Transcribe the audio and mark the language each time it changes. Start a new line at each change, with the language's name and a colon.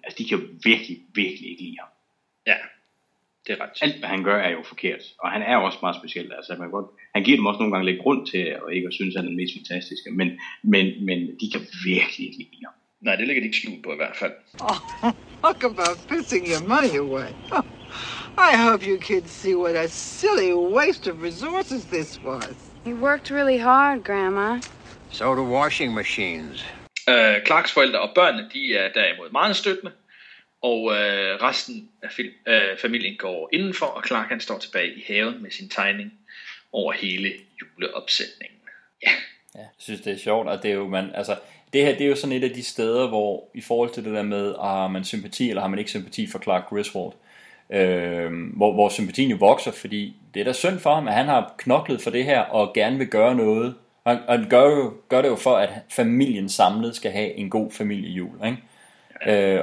Danish: Altså, de kan jo virkelig, virkelig ikke lide ham. Ja, det er ret. Alt hvad han gør er jo forkert, og han er også meget speciel. Altså, han giver dem også nogle gange lidt grund til og ikke at synes, at han er den mest fantastiske, men de kan virkelig ikke lide ham. Nej, det ligger de ikke skjult på i hvert fald.
English: Oh, talk about pissing your money away. Oh, I hope you kids see what a silly waste of resources this was. You worked really hard, Grandma. So do washing machines.
Danish: Clarks forældre og børnene, de er derimod meget støttende. Og resten af familien går indenfor, og Clark han står tilbage i haven med sin tegning over hele juleopsætningen. Ja. Ja, jeg synes, det er sjovt, og det er jo, det her, det er jo sådan et af de steder, hvor i forhold til det der med, har man sympati, eller har man ikke sympati for Clark Griswold, hvor sympatien jo vokser, fordi det er da synd for ham, at han har knoklet for det her, og gerne vil gøre noget, og gør det jo for, at familien samlet skal have en god familiejul, ikke?